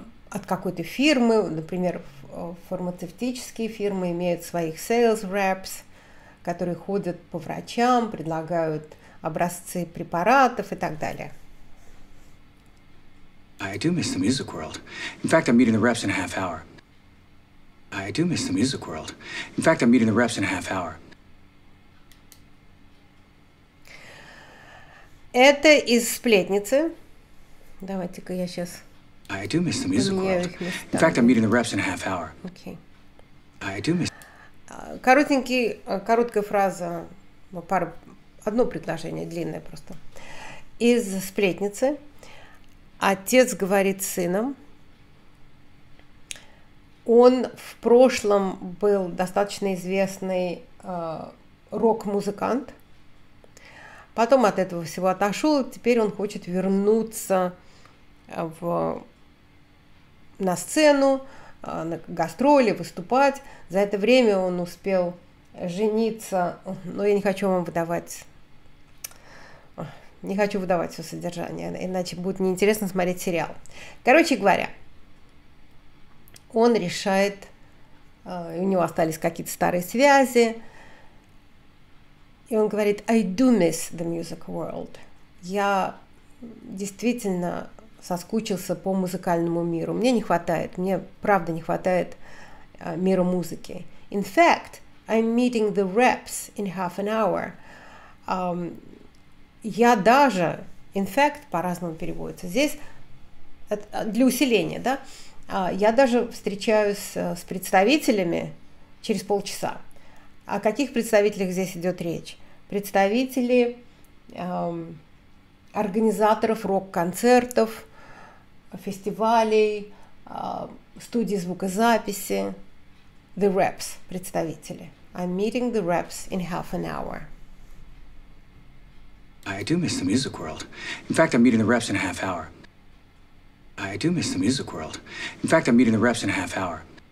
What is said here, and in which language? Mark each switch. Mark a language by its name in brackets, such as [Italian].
[Russian] от какой-то фирмы, например, фармацевтические фирмы имеют своих sales reps, которые ходят по врачам, предлагают образцы препаратов и так далее. [English] I do miss the music world. In fact, I'm meeting the reps in a half hour. I do miss the music world. In fact, I'm meeting the reps in a half hour. [Russian] Это из сплетницы. Давайте-ка я сейчас. [English] I do miss the music world. In fact, I'm meeting the reps in a half hour. Okay. I do miss. [Russian] Короткая фраза, одно предложение длинное просто. Из сплетницы. Отец говорит сынам, он в прошлом был достаточно известный рок-музыкант, потом от этого всего отошел, теперь он хочет вернуться на сцену, на гастроли, выступать. За это время он успел жениться, но я не хочу вам выдавать... Не хочу выдавать все содержание, иначе будет неинтересно смотреть сериал. Короче говоря, он решает, у него остались какие-то старые связи, и он говорит, [English] I do miss the music world. [Russian] Я действительно соскучился по музыкальному миру. Мне не хватает, мне правда не хватает мира музыки. [English] In fact, I'm meeting the reps in half an hour. [Russian] Я даже, [English] in fact, [Russian] по-разному переводится, здесь для усиления, да, я даже встречаюсь с представителями через полчаса. О каких представителях здесь идет речь? Представители организаторов рок-концертов, фестивалей, студии звукозаписи, the reps, представители. [English] I'm meeting the reps in half an hour. I do miss the music world. In fact, I'm meeting the reps in a half hour. I do miss the music world. In fact, I'm meeting the reps in a half hour.